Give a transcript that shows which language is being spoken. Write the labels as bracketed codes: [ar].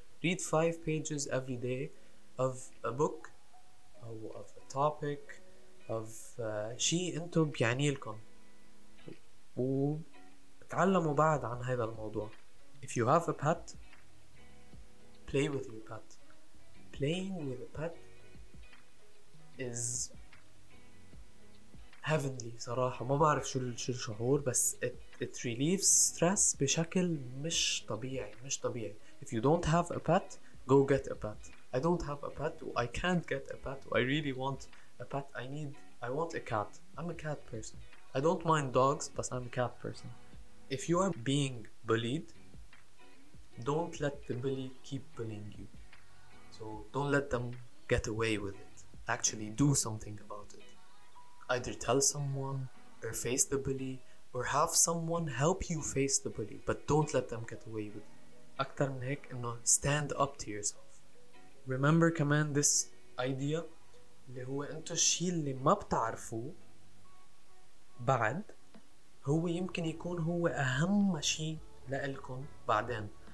[en] Read five pages every day of a book or of a topic of [ar] شيء انتو بيعني لكم وتعلموا بعد عن هذا الموضوع. [en] If you have a pet, play with your pet. Playing with a pet is heavenly [ar] صراحة. ما بعرف شو الشعور بس [en] it relieves stress [ar] بشكل مش طبيعي مش طبيعي. [en] If you don't have a pet, go get a pet. I don't have a pet. I can't get a pet. I really want a pet. I want a cat. I'm a cat person. I don't mind dogs, but I'm a cat person. If you are being bullied, don't let the bully keep bullying you. So don't let them get away with it. Actually do something about it. Either tell someone or face the bully or have someone help you face the bully, but don't let them get away with it. [ar] أكثر من هيك إنه [en] stand up to yourself. [ar] Remember كمان [en] this idea [ar] اللي هو انتو الشيء اللي ما بتعرفوه بعد هو يمكن يكون هو اهم شيء لألكم بعدين.